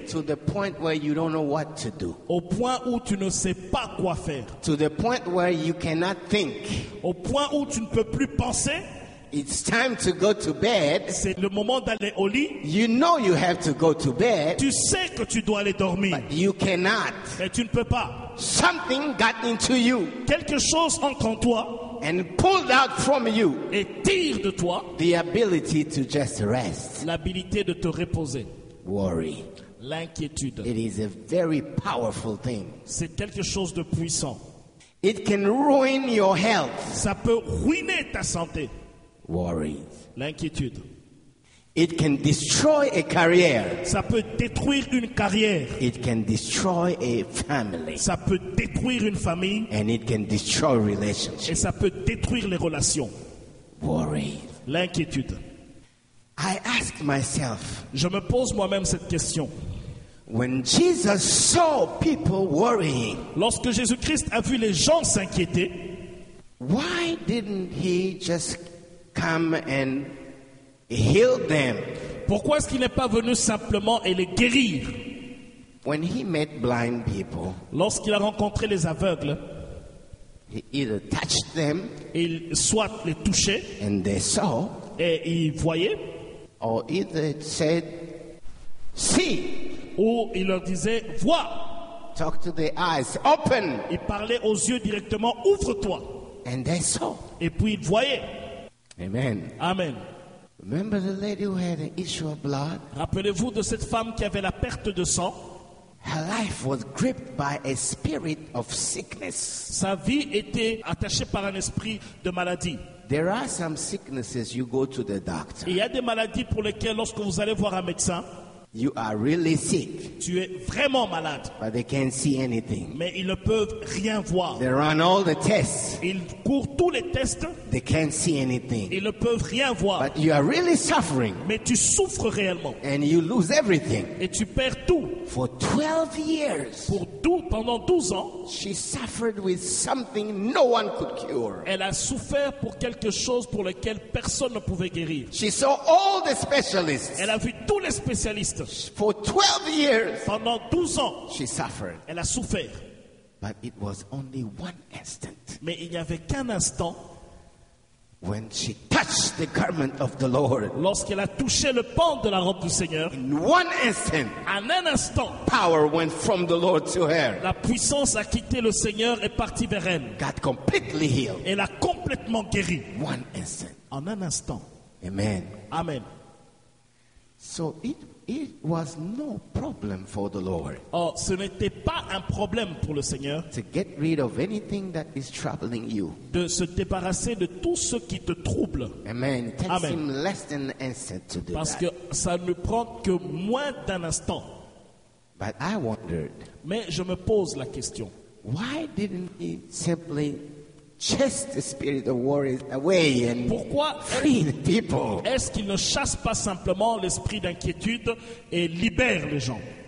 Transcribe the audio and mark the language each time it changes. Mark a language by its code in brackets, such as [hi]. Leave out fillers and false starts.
[en] To the point where you don't know what to do. [fr] Au point où tu ne sais pas quoi faire. [en] To the point where you cannot think. [fr] Au point où tu ne peux plus penser. [en] It's time to go to bed. [fr] C'est le moment d'aller au lit. [en] You know you have to go to bed. [fr] Tu sais que tu dois aller dormir. [en] But you cannot. [fr] Mais tu ne peux pas. [en] Something got into you. [fr] Quelque chose entre en toi. [en] And pulled out from you. [fr] Et tire de toi. [en] The ability to just rest. [fr] L'habilité de te reposer. [en] Worry. [fr] L'inquiétude. [en] It is a very powerful thing. [fr] C'est quelque chose de puissant. [en] It can ruin your health. [fr] Ça peut ruiner ta santé. [en] Worry. [fr] L'inquiétude. [en] It can destroy a career. [fr] Ça peut détruire une carrière. [en] It can destroy a family. [fr] Ça peut détruire une famille. [en] And it can destroy relationships. [fr] Et ça peut détruire les relations. [en] Worry. [fr] L'inquiétude. [en] I ask myself. [fr] Je me pose moi-même cette question. [en] When Jesus saw people worrying. [fr] Lorsque Jésus-Christ a vu les gens s'inquiéter. [en] Why didn't he just come and heal them? [fr] Pourquoi est-ce qu'il n'est pas venu simplement et les guérir? [en] When he met blind people. [fr] Lorsqu'il a rencontré les aveugles. [en] He either touched them. [fr] Il soit les touchait. [en] And they saw. [fr] Et ils voyaient. [en] Or either it said, see. [fr] Ou il leur disait, vois. [en] Talk to their eyes, open. [fr] Il parlait aux yeux directement, ouvre-toi. [en] And they saw. [fr] Et puis ils voyaient. [en] Amen. [fr] Amen. [en] Remember the lady who had an issue of blood? [fr] Rappelez-vous de cette femme qui avait la perte de sang. [en] Her life was gripped by a spirit of sickness. [fr] Sa vie était attachée par un esprit de maladie. [en] There are some sicknesses you go to the doctor. [fr] Il y a des maladies pour lesquelles lorsque vous allez voir un médecin, [en] you are really sick. [fr] Tu es vraiment malade. [en] But they can't see anything. [fr] Mais ils ne peuvent rien voir. [en] They run all the tests. [fr] Ils courent tous les tests. [en] They can't see anything. [fr] Ils ne peuvent rien voir. [en] But you are really suffering. [fr] Mais tu souffres réellement. [en] And you lose everything. [fr] Et tu perds tout. [en] For 12 years. [fr] Pendant 12 ans. [en] She suffered with something no one could cure. [fr] Elle a souffert pour quelque chose pour lequel personne ne pouvait guérir. [en] She saw all the specialists. [fr] Elle a vu tous les spécialistes. [en] For 12 years, [fr] pendant 12 ans, [en] she suffered. [fr] Elle a souffert. [en] But it was only one instant. [fr] Mais il n'y avait qu'un instant. [en] When she touched the garment of the Lord. [fr] Lorsqu'elle a touché le pan de la robe du Seigneur. [en] In one instant. [fr] En un instant. [en] Power went from the Lord to her. [fr] La puissance a quitté le Seigneur et partie vers elle. [en] Got completely healed. [fr] Elle a complètement guéri. [en] One instant. [fr] En un instant. [en] Amen. [fr] Amen. [en] So it It was no problem for the Lord. [fr] Oh, ce n'était pas un problème pour le Seigneur. [en] To get rid of anything that is troubling you. [fr] De se débarrasser de tout ce qui te trouble. [en] Amen. It takes him less than an instant to do that. [fr] Parce que ça ne prend que moins d'un instant. [en] But I wondered. [fr] Mais je me pose la question. [en] Why didn't he simply chase the spirit of worry away and [fr] pourquoi [en] free the people? [fr] Est-ce qu'il ne chasse pas simplement l'esprit d'inquiétude et libère les gens?